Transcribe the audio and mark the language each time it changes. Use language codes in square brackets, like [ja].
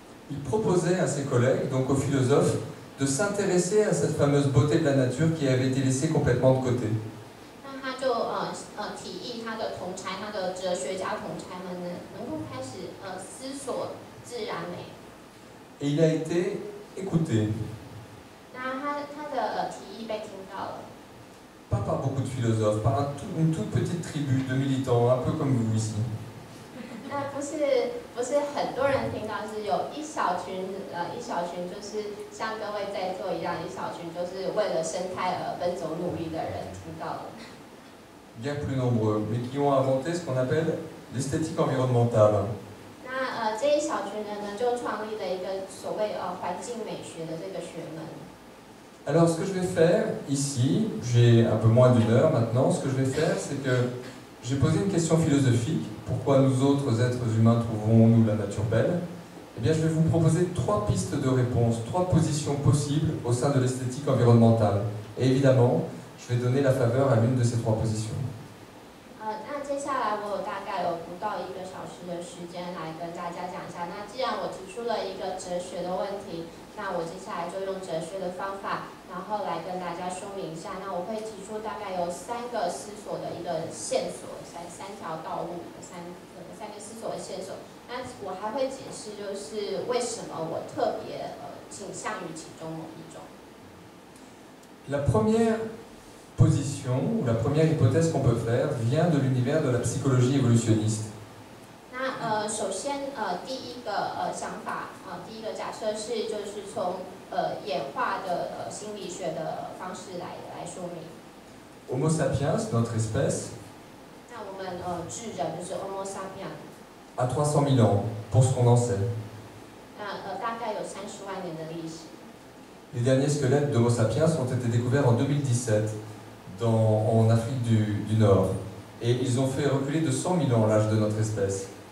[fr] Il proposait à ses collègues, donc aux philosophes, de s'intéresser à cette fameuse beauté de la nature qui avait été laissée complètement de côté. [zh] 那他就提议他的同侪，他的哲学家同侪们呢，能够开始思索自然美。 [fr] Et il a été écouté. [zh] 那他的提议被听到了。 [fr] Pas par beaucoup de philosophes, par une toute petite tribu de militants, un peu comme vous ici. [zh] 那不是很多人听到，是有一小群就是像各位在座一样，一小群就是为了生态而奔走努力的人听到了。 [fr] Bien plus nombreux, mais qui ont inventé ce qu'on appelle l'esthétique environnementale. [zh] 那这一小群人呢，就创立了一个所谓环境美学的这个学门。 [fr] Alors ce que je vais faire ici, j'ai un peu moins d'une heure maintenant. Ce que je vais faire, c'est que j'ai posé une question philosophique. Pourquoi nous autres êtres humains trouvons-nous la nature belle ? Eh bien, je vais vous proposer trois pistes de réponse, trois positions possibles au sein de l'esthétique environnementale. Et évidemment, je vais donner la faveur à l'une de ces trois positions. [zh] 那接下来我大概有不到一个小时的时间来跟大家讲一下。那既然我提出了一个哲学的问题，那我接下来就用哲学的方法，然后来跟大家说明一下。那我会提出大概有三个思索的一个线索，三条道路。三个思索的线索，那我还会解释就是为什么我特别倾向于其中某一种。 [fr] La première position ou la première hypothèse qu'on peut faire vient de l'univers de la psychologie évolutionniste. [zh] 那首先第一个想法第一个假设是就是从演化的心理学的方式来说明。 [fr] Homo sapiens, notre espèce. [zh] 智人就是 Homo sapiens. [fr] À 300 000 ans, pour ce qu'on en sait. [zh] 大概有三十万年的历史。 [fr] Les derniers squelettes d'Homo sapiens ont été découverts en 2017 en Afrique du Nord. Et ils ont fait reculer de 100 000 ans l'âge de notre espèce.